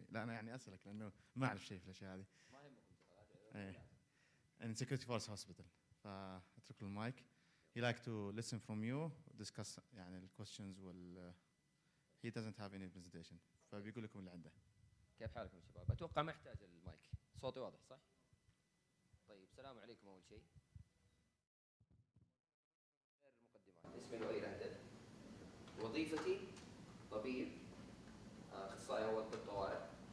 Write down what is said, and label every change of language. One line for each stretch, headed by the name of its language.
Arabic: لا أنا أسألك لأنه ما أعرف شيء في الأشياء هذه.
English: In Security Force Hospital.
Arabic: أترك له المايك.
English: He like to listen from you, discuss questions. He doesn't have any presentation.
Arabic: فبيقول لكم اللي عنده. كيف حالكم شباب؟ أتوقع محتاج المايك. صوتي واضح صح؟ طيب السلام عليكم أول شيء. غير المقدمات. اسمي لؤي لهدل. وظيفتي طبيب أخصائي أول طب طوارئ.